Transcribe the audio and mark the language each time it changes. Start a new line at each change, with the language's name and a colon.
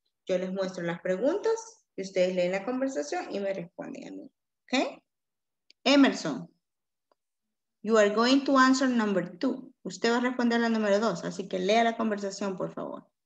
Spanish: Yo les muestro las preguntas y ustedes leen la conversación y me responden a mí.
English: Okay? Emerson, you are going to answer number two.
Spanish: Usted va a responder la número dos, así que lea la conversación, por favor.